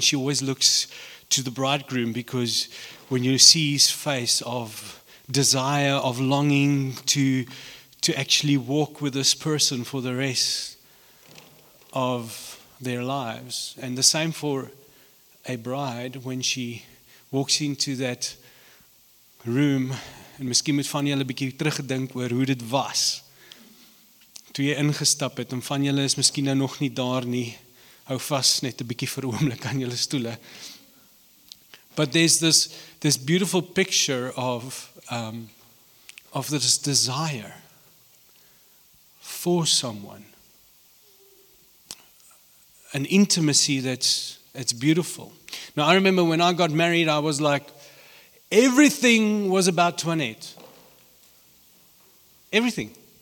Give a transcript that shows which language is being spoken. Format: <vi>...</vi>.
<en>She always looks to the bridegroom, because when you see his face of desire, of longing to actually walk with this person for the rest of their lives. And the same for a bride when she walks into that room.</en> <af>And miskien moet van julle 'n bietjie terugdink oor hoe dit was toe jy ingestap het, en van julle is miskien nou nog nie daar nie, hou vas net 'n bietjie vir oomblik aan julle stoele.</af> <en>But there's this beautiful picture of this desire for someone. An intimacy that's beautiful. Now, I remember when I got married, I was like, everything was about Toinette. Everything.</en>